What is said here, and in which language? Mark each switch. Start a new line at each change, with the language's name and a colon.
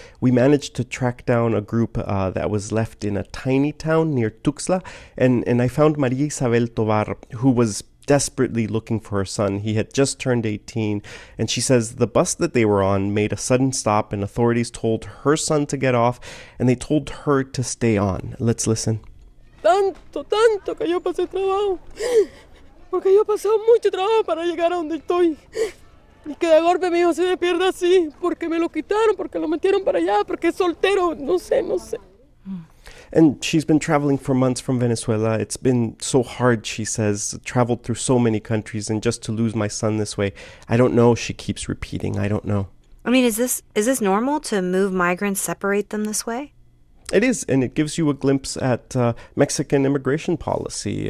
English: We managed to track down a group that was left in a tiny town near Tuxtla, and I found Maria Isabel Tovar, who was desperately looking for her son. He had just turned 18, and she says the bus that they were on made a sudden stop, and authorities told her son to get off, and they told her to stay on. Let's listen.
Spanish: Tanto, tanto que yo pasé trabajo. Porque yo he pasado mucho trabajo para llegar a donde estoy. Y que de golpe mi hijo se me pierda así, porque me lo quitaron, porque lo metieron para allá, porque es soltero, no sé, no sé.
English: And she's been traveling for months from Venezuela. It's been so hard, she says, traveled through so many countries, and just to lose my son this way, I don't know, she keeps repeating, I don't know. I mean, is this normal to move migrants, separate them this way? It is, and it gives you a glimpse at Mexican immigration policy.